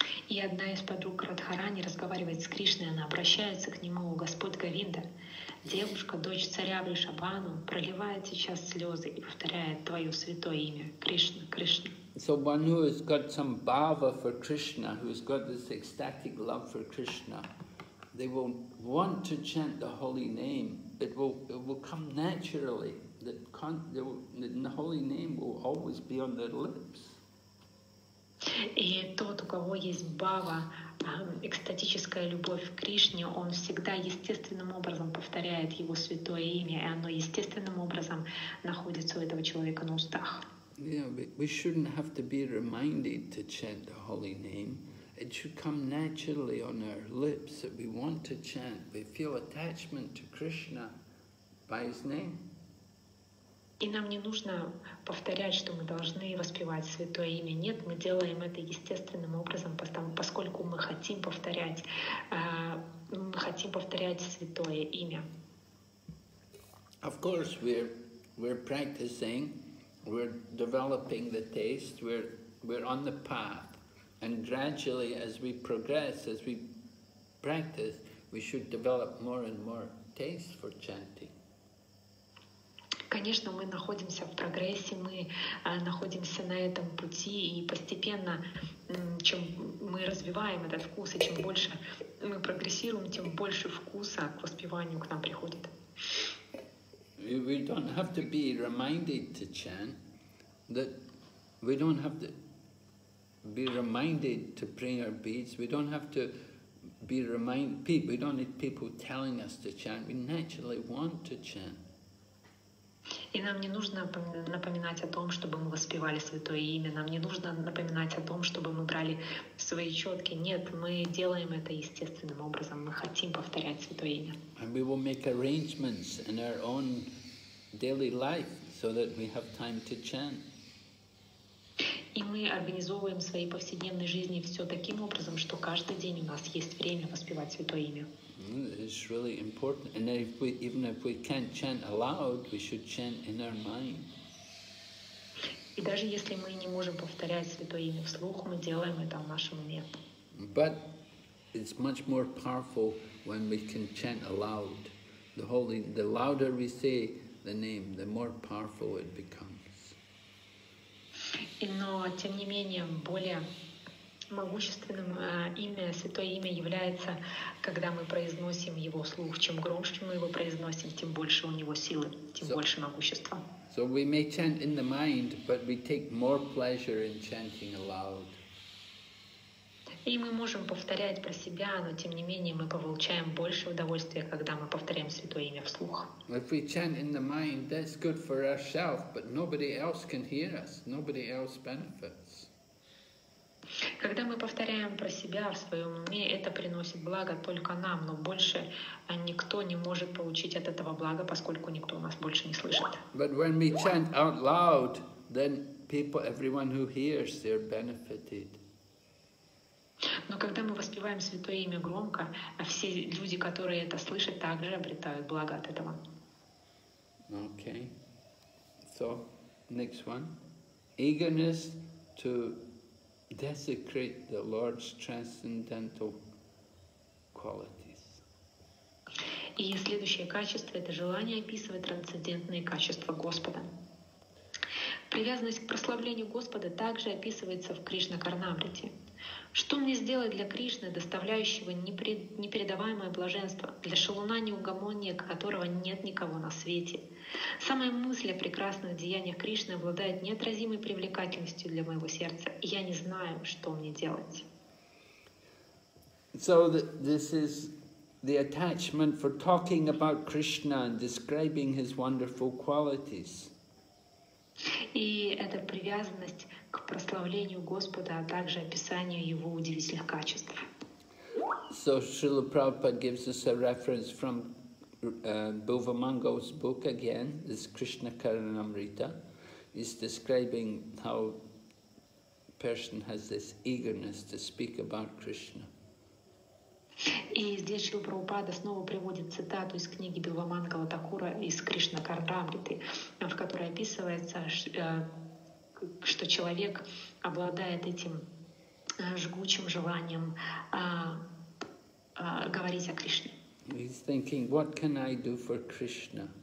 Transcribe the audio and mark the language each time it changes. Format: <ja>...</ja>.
<ru>И одна из подруг Радхарани разговаривает с Кришной, она обращается к нему, о Господь Говинда, девушка, дочь царя Вришабану, проливает сейчас слезы и повторяет твое святое имя, Кришна, Кришна.</ru> <en>So one who has got some bhava for Krishna, who has got this ecstatic love for Krishna, they will want to chant the holy name. It will come naturally. The holy name will always be on their lips.</en> <ru>И тот, у кого есть бхава, экстатическая любовь к Кришне, он всегда естественным образом повторяет его святое имя, и оно естественным образом находится у этого человека на устах.</ru> <en>We shouldn't have to be reminded to chant the holy name. It should come naturally on our lips that we want to chant. We feel attachment to Krishna by his name.</en> <ru>И нам не нужно повторять, что мы должны воспевать святое имя. Нет, мы делаем это естественным образом, поскольку мы хотим повторять святое имя.</ru> <en>Of course, we're practicing, we're developing the taste, we're on the path, and gradually as we progress, as we practice, we should develop more and more taste for chanting.</en> <ru>Конечно, мы находимся в прогрессе, мы находимся на этом пути, и постепенно, чем мы развиваем этот вкус, и чем больше мы прогрессируем, тем больше вкуса к воспеванию к нам приходит.</ru> <en>We don't have to be reminded to chant, that we don't have to be reminded to bring our beads, we don't have to be reminded, we don't need people telling us to chant, we naturally want to chant.</en> <ru>И нам не нужно напоминать о том, чтобы мы воспевали святое имя, нам не нужно напоминать о том, чтобы мы брали свои четки. Нет, мы делаем это естественным образом, мы хотим повторять святое имя.</ru> <en>And we will make arrangements in our own daily life so that we have time to chant.</en> <ru>И мы организовываем в своей повседневной жизни все таким образом, что каждый день у нас есть время воспевать святое имя.</ru> <en>It's really important, and even if we can't chant aloud, we should chant in our mind.</en> <ru>И даже если мы не можем повторять святое имя вслух, мы делаем это в нашем уме.</ru> <en>But it's much more powerful when we can chant aloud. The louder we say the name, the more powerful it becomes.</en> <ru>Но тем не менее более могущественным имя, святое имя является, когда мы произносим его вслух. Чем громче мы его произносим, тем больше у него силы, тем больше могущества.</ru> <en>So we may chant in the mind, but we take more pleasure in chanting aloud.</en> <ru>И мы можем повторять про себя, но тем не менее мы получаем больше удовольствия, когда мы повторяем святое имя вслух.</ru> <en>If we chant in the mind, that's good for ourselves, but nobody else can hear us, nobody else benefits.</en> <ru>Когда мы повторяем про себя в своем уме, это приносит благо только нам, но больше никто не может получить от этого блага, поскольку никто нас больше не слышит.</ru> <en>But when we chant out loud, then people, everyone who hears, they're benefited.</en> <ru>Но когда мы воспеваем святое имя громко, все люди, которые это слышат, также обретают благо от этого.</ru> <en>Okay. So, next one. Eagerness to desecrate the Lord's transcendental qualities.</en> <ru>И следующее качество — это желание описывать трансцендентные качества Господа. Привязанность к прославлению Господа также описывается в Кришна-карнамрите. Что мне сделать для Кришны, доставляющего непередаваемое блаженство, для Шалуна неугомонния, которого нет никого на свете? Самая мысль о прекрасных деяниях Кришны обладает неотразимой привлекательностью для моего сердца, и я не знаю, что мне делать.</ru> <en>So this is the attachment for talking about Krishna and describing his wonderful qualities.</en> <ru>И это привязанность к прославлению Господа, а также описанию Его удивительных качеств.</ru> <en>So Srila Prabhupada gives us a reference from Bhuva Mango's book again, this Krishna Karanamrita. He's describing how person has this eagerness to speak about Krishna.</en> <ru>И здесь Шрила Прабхупада снова приводит цитату из книги Бхавамангала Такура из Кришна Карамриты, в которой описывается, что человек обладает этим жгучим желанием говорить о Кришне.</ru> <en>He's thinking, what can I do for Krishna?</en>